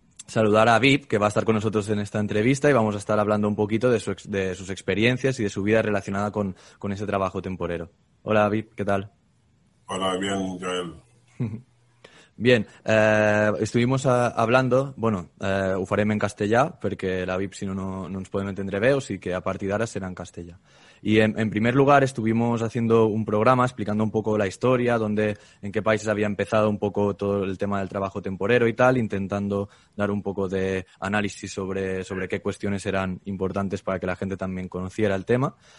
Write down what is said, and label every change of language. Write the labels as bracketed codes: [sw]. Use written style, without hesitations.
[es] Saludar a Vip, que va a estar con nosotros en esta entrevista y vamos a estar hablando un poquito de, de sus experiencias y de su vida relacionada con ese trabajo temporero. Hola, Vip, ¿qué tal? Hola, bien, Joel. Bien, estuvimos hablando, bueno, [ca] ho farem en castellà, perquè la VIP, si no, no ens podem entendre bé, o sí que a partir d'ara serà en castellà. [es] Y en primer lugar, estuvimos haciendo un programa explicando un poco la historia, dónde, en qué países había empezado un poco todo el tema del trabajo temporero y tal, intentando dar un poco de análisis sobre qué cuestiones eran importantes para que la gente también conociera el tema.